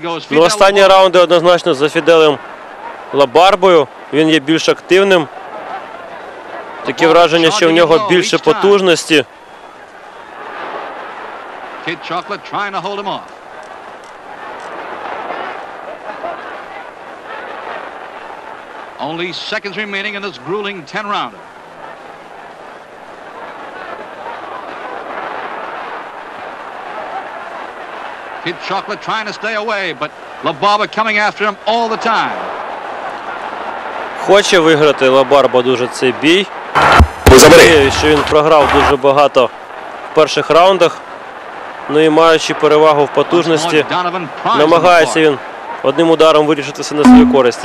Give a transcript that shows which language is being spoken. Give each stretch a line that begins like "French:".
Ukrainian: Ну, останні раунди однозначно за Фіделем Лабарбою. Він є більш активним. Таке враження, що в нього більше потужності.
English: Kid Chocolate trying to hold him off. Only seconds remaining in this grueling 10-rounder. Kid Chocolate trying to stay away, but Лабарба coming after him all the time.
Ukrainian: Хоче виграти Лабарба дуже цей бій. Забери, що він програв дуже багато в перших раундах. Ну і маючи перевагу в потужності, намагається він одним ударом вирішитися на свою користь.